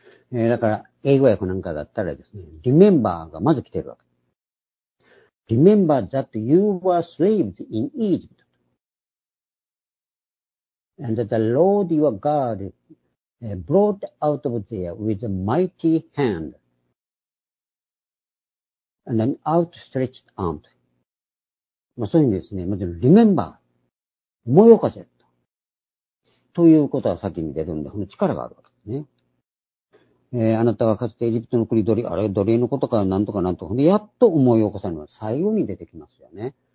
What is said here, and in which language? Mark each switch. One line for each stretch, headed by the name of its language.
Japanese: だから、英語訳なんかだったらですね、remember がまず来てるわけ。
English: remember that you were slaves in Egypt. And that the Lord your God brought out of there with a mighty hand. And an outstretched arm.
Japanese: まあそういうふうにですね、まず remember。思い起こせ。ということは先に出るんで、この力があるわけですね。あなたはかつてエジプトの国奴隷、あれ奴隷のことか何とか何とか、で、やっと思い起こされるのは最後に出てきますよね。